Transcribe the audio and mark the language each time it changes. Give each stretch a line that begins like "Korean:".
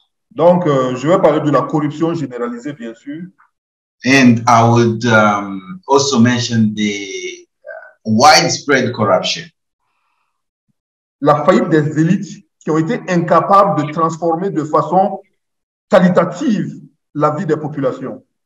French: Donc, je vais parler de la corruption généralisée, bien sûr.
English: And I would also mention the widespread corruption.
French: La faillite des élites qui ont été incapables de transformer de façon qualitative la vie des populations.